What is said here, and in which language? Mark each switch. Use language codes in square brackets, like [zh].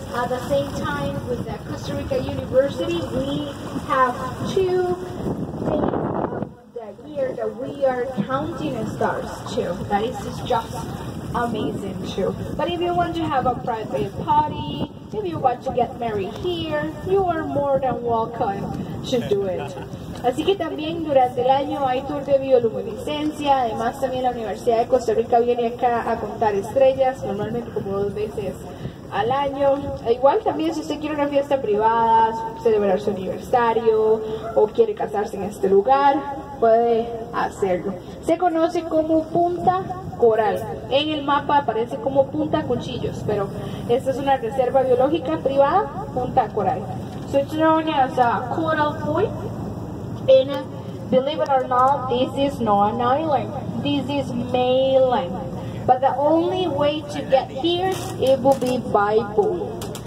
[en] At the same time with the Costa Rica University, we have two things that year that we are counting as stars too. That is just amazing too. But if you want to have a private party, if you want to get married here, you are more than welcome to do it. [es] Así que también durante el año hay tour de bioluminiscencia, además también la Universidad de Costa Rica viene acá a contar estrellas, normalmente como dos veces al año. Igual también si usted quiere una fiesta privada, celebrar su aniversario o quiere casarse en este lugar, puede hacerlo. Se conoce como Punta Coral. En el mapa aparece como Punta Cuchillos, pero esta es una reserva biológica privada, Punta Coral. [en] So it's known as a coral point. And believe it or not, this is not an island. This is mainland. But the only way to get here, it will be by boat.